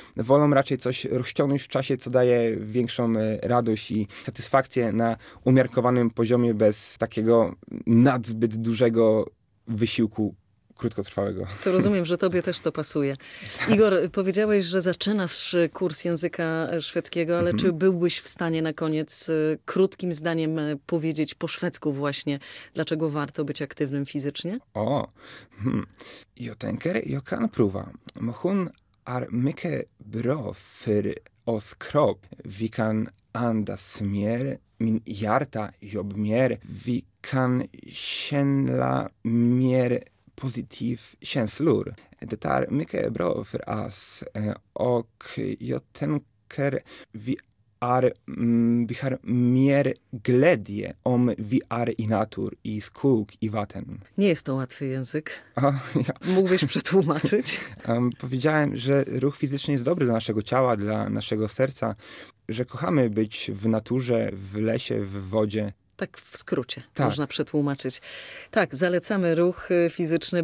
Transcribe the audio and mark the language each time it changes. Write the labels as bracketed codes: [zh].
[pl] Wolą raczej coś rozciągnąć w czasie, co daje większą radość i satysfakcję na umiarkowanym poziomie bez takiego nadzbyt dużego wysiłku krótkotrwałego. To rozumiem, że tobie też to pasuje. Igor, powiedziałeś, że zaczynasz kurs języka szwedzkiego, ale czy byłbyś w stanie na koniec krótkim zdaniem powiedzieć po szwedzku właśnie, dlaczego warto być aktywnym fizycznie? [sv] O, Jag tänker, jag kan prova. Men hon är mycket bra för oss kropp. Vi kan andas mer, min hjärta jobbar mer. Vi kan känna mer positiv känslor. Det är mycket bra för oss. Och jag tänker vi har mer glädje om vi är i natur, i skog, i vatten. [pl] Nie jest to łatwy język. Ja. Mógłbyś przetłumaczyć? Powiedziałem, że ruch fizyczny jest dobry dla naszego ciała, dla naszego serca, że kochamy być w naturze, w lesie, w wodzie. Tak w skrócie można przetłumaczyć. Tak, zalecamy ruch fizyczny.